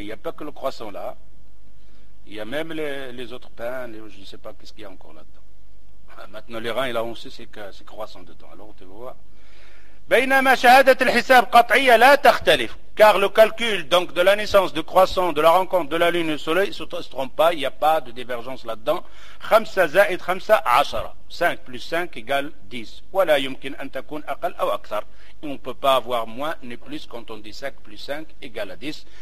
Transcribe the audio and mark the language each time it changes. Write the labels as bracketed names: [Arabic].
[French] Il n'y a pas que le croissant là. Il y a même les autres pains, les, je ne sais pas qu'est-ce qu'il y a encore là-dedans. Maintenant, l'Iran, il a aussi ses croissants dedans. Alors, tu vois. [Arabic] بينما شهادة الحساب قطعية لا تختلف [French] car le calcul donc de la naissance du croissant de la rencontre de la lune et du soleil se trompe pas, il n'y a pas de divergence là-dedans. [Arabic] 5 زائد 5 10 [French] 5 plus 5 égale 10 [Arabic] ولا يمكن أن تكون أقل أو أكثر. [French] On ne peut pas avoir moins ni plus quand on dit 5 plus 5 égale à 10.